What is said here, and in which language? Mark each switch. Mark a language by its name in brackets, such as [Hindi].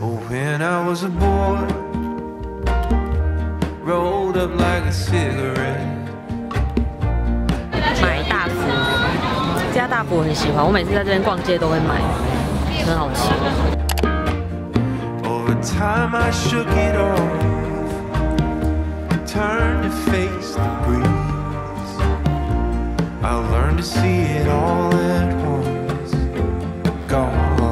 [English] When I was a boy, rolled up like a cigarette. [Chinese] 买大福，这家大福我很喜欢，我每次在这边逛街都会买，很好吃。 [English] Over time I shook it off, turned to face the breeze. I learned to see it all at once, gone.